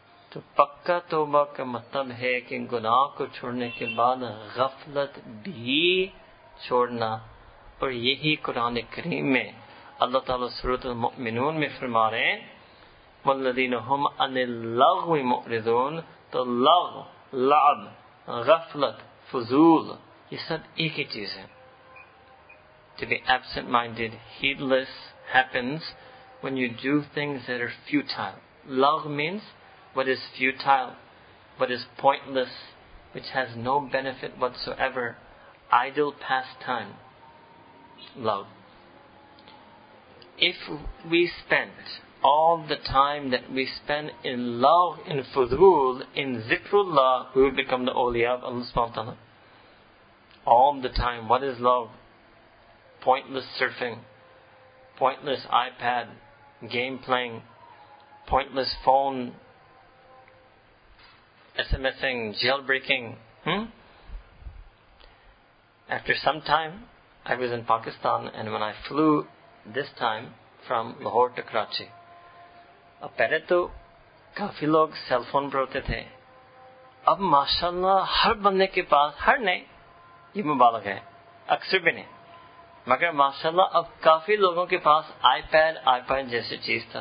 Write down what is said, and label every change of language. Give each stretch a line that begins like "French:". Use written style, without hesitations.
Urdu: تو پکا توبہ کا مطلب ہے کہ گناہ کو چھوڑنے کے بعد غفلت بھی چھوڑنا, اور یہی قرآن کریم میں اللہ تعالیٰ سورۃ المؤمنون میں فرما رہے ہیں,
Arabic: والذین ہم عن اللغو معرضون.
Urdu: تو لغو, لعب, غفلت, فضول, یہ سب ایک ہی چیز ہے.
English: To be absent-minded, heedless, happens when you do things that are futile. Lagh means what is futile, what is pointless, which has no benefit whatsoever. Idle pastime. Lagh. If we spent all the time that we spend in love, in fudul, in zikrullah, we will become the awliya of Allah subhanahu wa ta'ala. All the time, what is love? Pointless surfing, pointless iPad, game playing, pointless phone, SMSing, jailbreaking. After some time, I was in Pakistan, and when I flew this time from Lahore to Karachi,
Urdu: پہلے تو کافی لوگ cell phone پر ہوتے تھے, اب ماشاءاللہ ہر بندے کے پاس, ہر نہیں یہ مبالغ ہے, اکثر بھی نہیں, مگر ماشاءاللہ اب کافی لوگوں کے پاس آئی پیڈ جیسی چیز تھا.